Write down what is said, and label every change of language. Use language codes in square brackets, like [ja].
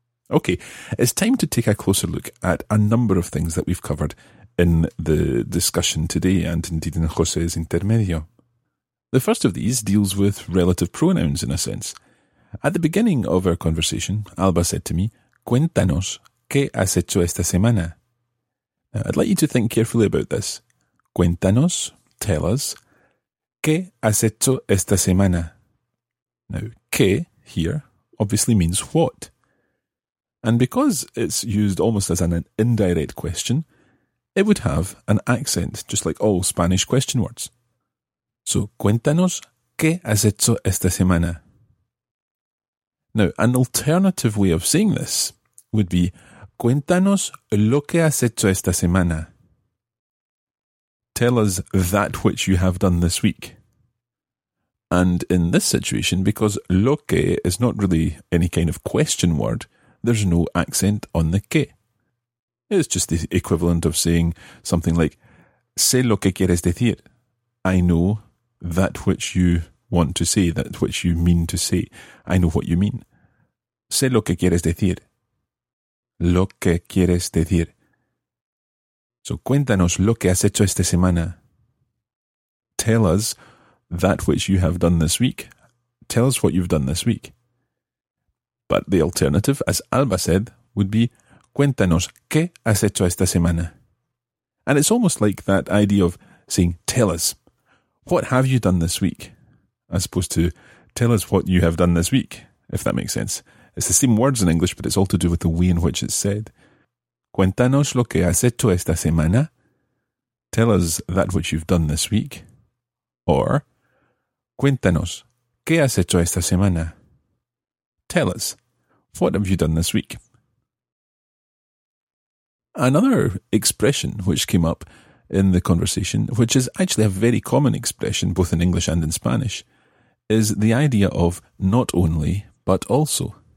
[en] Okay, it's time to take a closer look at a number of things that we've covered in the discussion today, and indeed in José's intermedio. The first of these deals with relative pronouns, in a sense. At the beginning of our conversation, Alba said to me, [es] cuéntanos qué has hecho esta semana. [en] Now, I'd like you to think carefully about this. [es] Cuéntanos, [en] tell us, [es] qué has hecho esta semana. [en] Now, qué here obviously means what. And because it's used almost as an indirect question, it would have an accent, just like all Spanish question words. [es] So, cuéntanos qué has hecho esta semana. [en] Now, an alternative way of saying this would be, [es] cuéntanos lo que has hecho esta semana. [en] Tell us that which you have done this week. And in this situation, because lo que is not really any kind of question word, there's no accent on the que. It's just the equivalent of saying something like, [es] sé lo que quieres decir. [en] I know that which you want to say, that which you mean to say. I know what you mean. [es] Sé lo que quieres decir. Lo que quieres decir. So cuéntanos lo que has hecho esta semana. [en] Tell us that which you have done this week. Tell us what you've done this week. But the alternative, as Alba said, would be [es] cuéntanos qué has hecho esta semana. [en] And it's almost like that idea of saying tell us. What have you done this week? As opposed to tell us what you have done this week, if that makes sense. It's the same words in English, but it's all to do with the way in which it's said. [es] Cuéntanos lo que has hecho esta semana. [en] Tell us that which you've done this week. [es] Or cuéntanos qué has hecho esta semana. [en] Tell us, what have you done this week? Another expression which came up in the conversation, which is actually a very common expression both in English and in Spanish, is the idea of not only, but also.